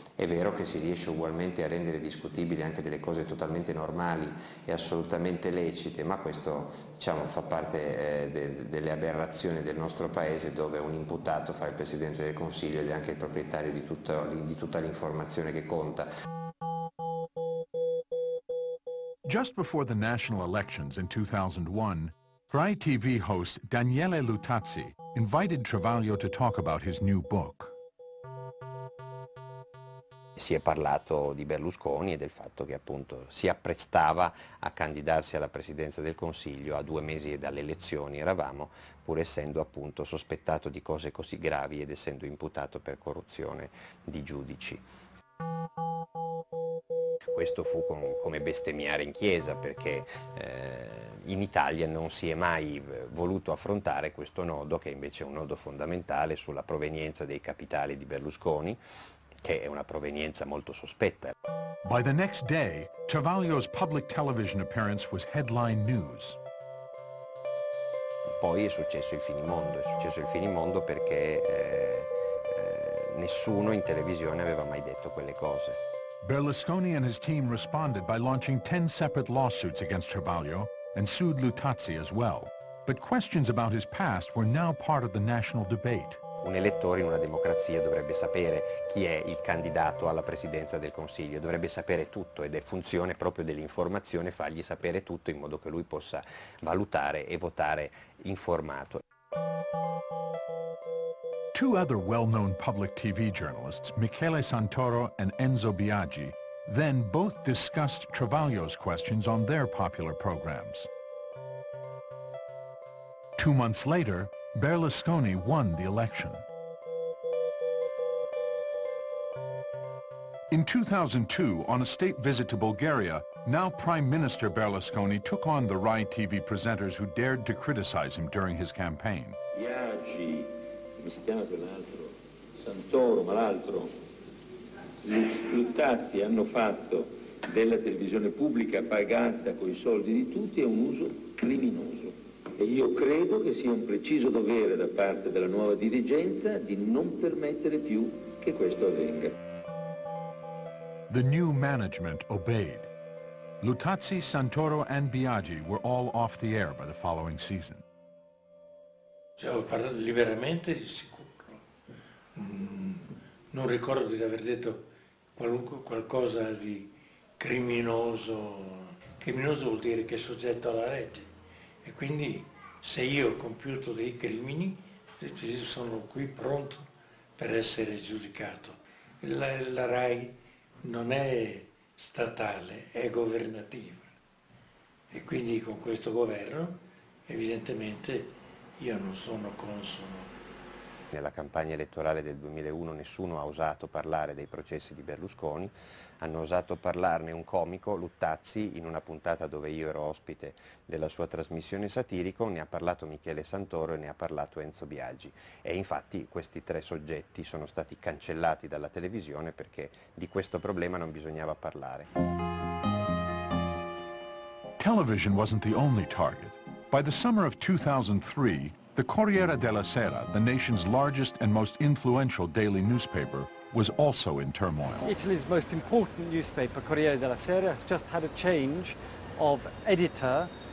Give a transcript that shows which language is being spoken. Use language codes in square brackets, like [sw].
[it] È vero che si riesce ugualmente a rendere discutibili anche delle cose totalmente normali e assolutamente lecite, ma questo, diciamo, fa parte delle aberrazioni del nostro paese, dove un imputato fa il presidente del consiglio ed è anche il proprietario di tutta l'informazione che conta. [en] Just before the national elections in 2001, Rai TV host Daniele Lutazzi invited Travaglio to talk about his new book. [it] Si è parlato di Berlusconi e del fatto che appunto si apprestava a candidarsi alla presidenza del Consiglio a 2 mesi dalle elezioni, eravamo, pur essendo appunto sospettato di cose così gravi ed essendo imputato per corruzione di giudici. Questo fu come bestemmiare in chiesa, perché in Italia non si è mai voluto affrontare questo nodo, che invece è un nodo fondamentale sulla provenienza dei capitali di Berlusconi, che è una provenienza molto sospetta. [en] By the next day, Travaglio's public television appearance was headline news. [it] Poi è successo il finimondo, perché nessuno in televisione aveva mai detto quelle cose. [en] Berlusconi and his team responded by launching 10 separate lawsuits against Travaglio and sued Lutazzi as well. But questions about his past were now part of the national debate. [it] Un elettore in una democrazia dovrebbe sapere chi è il candidato alla presidenza del Consiglio, dovrebbe sapere tutto, ed è funzione proprio dell'informazione fargli sapere tutto in modo che lui possa valutare e votare informato. [en] Two other well-known public TV journalists, Michele Santoro and Enzo Biaggi, then both discussed Travaglio's questions on their popular programs. 2 months later, Berlusconi won the election. In 2002, on a state visit to Bulgaria, now Prime Minister Berlusconi took on the Rai TV presenters who dared to criticize him during his campaign. [it] Biaggi, come si chiama quell'altro? Santoro, ma l'altro? Lutazzi hanno fatto della televisione pubblica pagata coi soldi di tutti è un uso criminoso. E io credo che sia un preciso dovere da parte della nuova dirigenza di non permettere più che questo avvenga. [en] The new management obeyed. Lutazzi, Santoro and Biaggi were all off the air by the following season. [it] Cioè, ho parlato liberamente di sicuro. Non ricordo di aver detto qualcosa di criminoso. Criminoso vuol dire che è soggetto alla legge. E quindi se io ho compiuto dei crimini, sono qui pronto per essere giudicato. La RAI non è statale, è governativa. E quindi con questo governo, evidentemente, io non sono consono. Nella campagna elettorale del 2001 nessuno ha osato parlare dei processi di Berlusconi, hanno osato parlarne un comico, Lutazzi, in una puntata dove io ero ospite della sua trasmissione satirico, ne ha parlato Michele Santoro e ne ha parlato Enzo Biaggi. E infatti questi tre soggetti sono stati cancellati dalla televisione perché di questo problema non bisognava parlare. [en] Television wasn't the only target. By the summer of 2003, the Corriere della Sera, the nation's largest and most influential daily newspaper, was also in turmoil. Italy's most important newspaper, Corriere della Sera, has just had a change of editor.